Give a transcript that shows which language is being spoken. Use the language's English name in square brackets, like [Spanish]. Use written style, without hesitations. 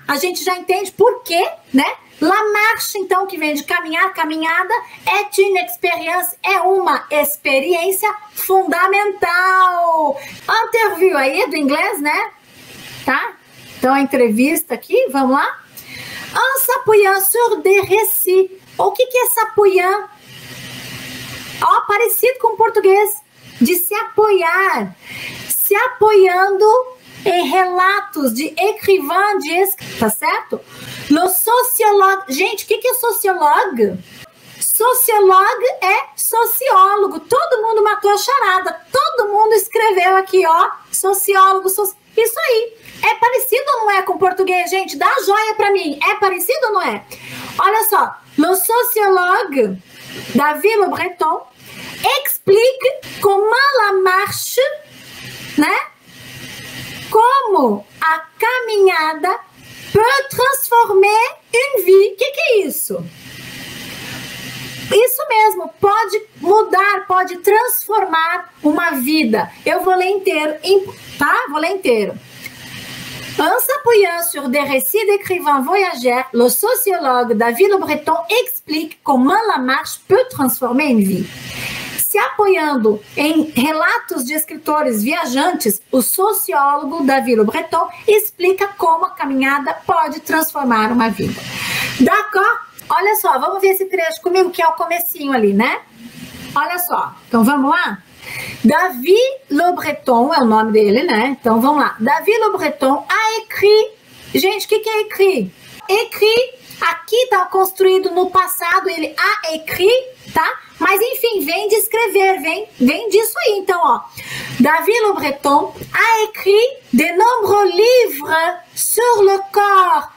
[Portuguese] A gente já entende por quê, né? La marche, então, que vem de caminhar, caminhada, [French] est une expérience, [Portuguese] é uma experiência fundamental. Interview aí, do inglês, né? Tá? Então, a entrevista aqui, vamos lá. [French] En s'appuyant sur des récits. [Portuguese] O que, que é s'appuyant? Ó, oh, parecido com o português, de se apoiar. Se apoiando em relatos de écrivain, de escritor, tá certo? No sociólogo. Gente, o que, que é sociólogo? Sociólogo é sociólogo. Todo mundo matou a charada. Todo mundo escreveu aqui, ó. Sociólogo. Isso aí. É parecido ou não é com português, gente? Dá joia pra mim. É parecido ou não é? Olha só. No sociólogo, Davi Le Breton, explique como a marcha, né? Como a caminhada [French] peut transformer une vie. [Portuguese] O que, que é isso? Isso mesmo, pode mudar, pode transformar uma vida. Eu vou ler inteiro, tá? Vou ler inteiro. [French] En s'appuyant sur des récits d'écrivains voyageurs, le sociologue David Le Breton explique comment la marche peut transformer une vie. [Portuguese] Se apoiando em relatos de escritores viajantes, o sociólogo Davi Le Breton explica como a caminhada pode transformar uma vida. [French] D'accord? [Portuguese] Olha só, vamos ver esse trecho comigo, que é o comecinho ali, né? Olha só, então vamos lá? Davi Le Breton é o nome dele, né? Então vamos lá. Davi Le Breton [French] a écrit. [Portuguese] Gente, o que, que é écrit? Écrit, aqui está construído no passado, ele a écrit, tá? Mas enfim, vem de escrever, vem disso aí. [French] Então, ó, Davi Le Breton a écrit de nombreux livres sur le corps.